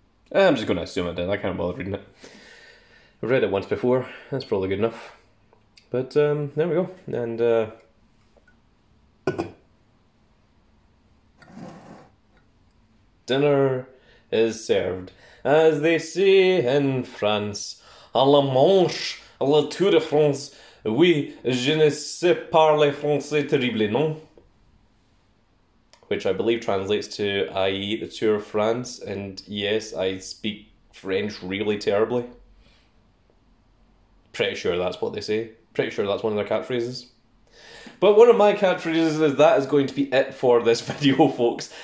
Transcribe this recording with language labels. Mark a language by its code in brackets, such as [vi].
[en] I'm just going to assume I did. I can't bother reading it. I've read it once before. That's probably good enough. But there we go. And dinner is served, as they say in France. [fr] À la manche, à la Tour de France. Oui, je ne sais parler français terrible, non? [en] Which I believe translates to I eat the Tour of France, and yes, I speak French really terribly. Pretty sure that's what they say. Pretty sure that's one of their catchphrases. But one of my catchphrases is that is going to be it for this video, folks.